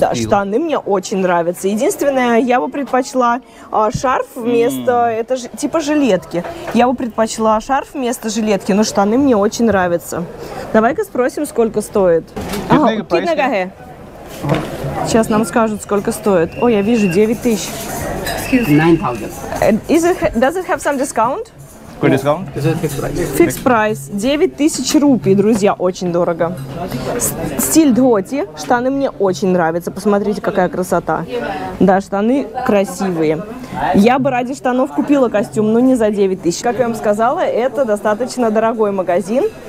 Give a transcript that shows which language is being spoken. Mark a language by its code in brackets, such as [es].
[ru] Да, штаны мне очень нравятся. Единственное, я бы предпочла шарф вместо... Это же типа жилетки. Я бы предпочла шарф вместо жилетки, но штаны мне очень нравятся. Давай-ка спросим, сколько стоит. Ага, китнагаге. Сейчас нам скажут, сколько стоит. О, я вижу, 9 тысяч. 9000. [en] Does it have some discount? [ru] Какой дискаунт? Фикс прайс. 9000 рупий, друзья, очень дорого. Стиль дхоти. Штаны мне очень нравятся. Посмотрите, какая красота. Да, штаны красивые. Я бы ради штанов купила костюм, но не за 9000. Как я вам сказала, это достаточно дорогой магазин.